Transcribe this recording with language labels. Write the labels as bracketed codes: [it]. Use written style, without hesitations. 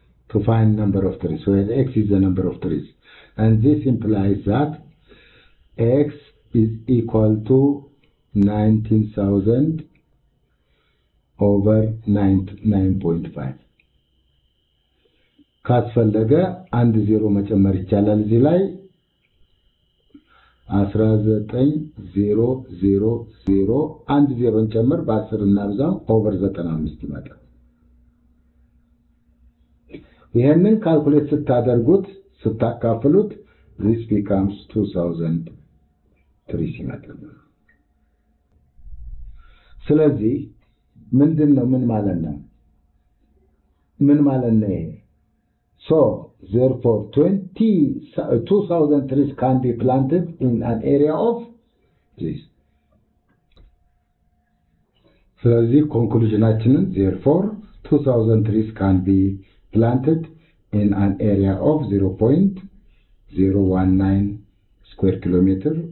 [en] To find number of trees, where x is the number of trees, and this implies that x is equal to 19,000 over 9.5. [am] ካስፈልገ አንድ ዜሮ መጨመር ይቻላል እዚህ ላይ 19,000 አንድ ዜሮ እንጨምር በ10 እናብዛው ኦቨር 95 ይመጣል። ይሄንን ካልኩሌት ስታደርጉት ስታካፍሉት [en] this becomes 2000 trees [am] ይመጣል። ስለዚህ ምንድነው ምን ማለት ነው? [en] So, therefore, 2,000 trees can be planted in an area of this. So, the conclusion is, therefore, 2,000 trees can be planted in an area of 0.019 square kilometer.